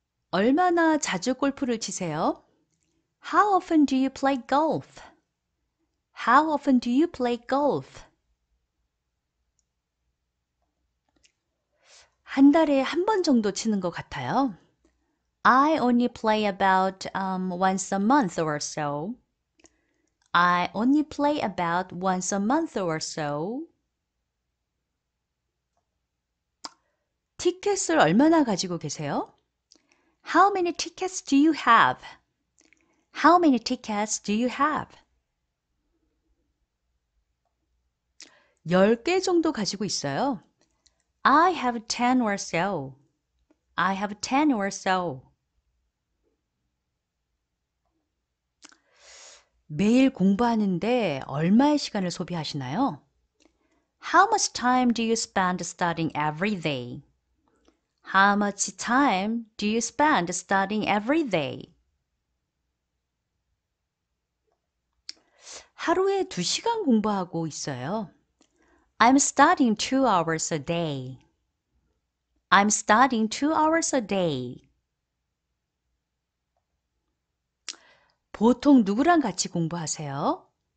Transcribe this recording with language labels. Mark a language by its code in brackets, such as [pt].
[ko] 얼마나 자주 골프를 치세요? [en] How often do you play golf? How often do you play golf? [ko] 한 달에 한번 정도 치는 것 같아요. [en] I only play about once a month or so. I only play about once a month or so. [ko] 티켓을 얼마나 가지고 계세요? [en] How many tickets do you have? How many tickets do you have? [ko] 10개 정도 가지고 있어요. [en] I have 10 or so. I have 10 or so. [ko] 매일 공부하는데 얼마의 시간을 소비하시나요? [en] How much time do you spend studying every day? How much time do you spend studying every day? [ko] 하루에 2시간 공부하고 있어요. [en] I'm studying 2 hours a day. I'm studying 2 hours a day. [ko] 보통 누구랑 같이 공부하세요?